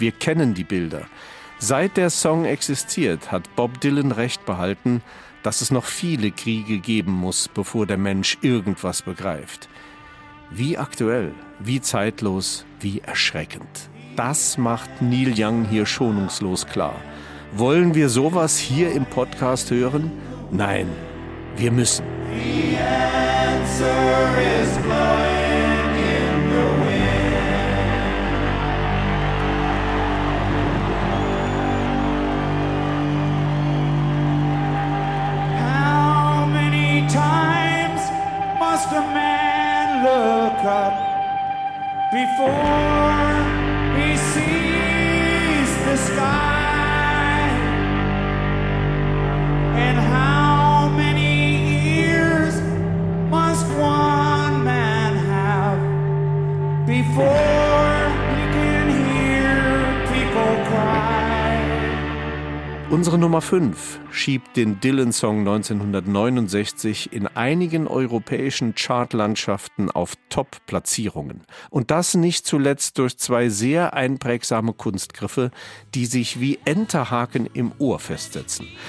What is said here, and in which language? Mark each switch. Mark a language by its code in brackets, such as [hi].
[de] Wir kennen die Bilder. Seit der Song existiert, hat Bob Dylan recht behalten, dass es noch viele Kriege geben muss, bevor der Mensch irgendwas begreift. Wie aktuell, wie zeitlos, wie erschreckend. Das macht Neil Young hier schonungslos klar. Wollen wir sowas hier im Podcast hören? Nein, wir müssen. [en] The answer is blowing in the wind. How many times must a man look up before he sees the sky? And how many ears must one man have before he can hear people cry? [de] Unsere Nummer 5 schiebt den Dylan-Song 1969 in einigen europäischen Chartlandschaften auf Top-Platzierungen. Und das nicht zuletzt durch zwei sehr einprägsame Kunstgriffe, die sich wie Enterhaken im Ohr festsetzen.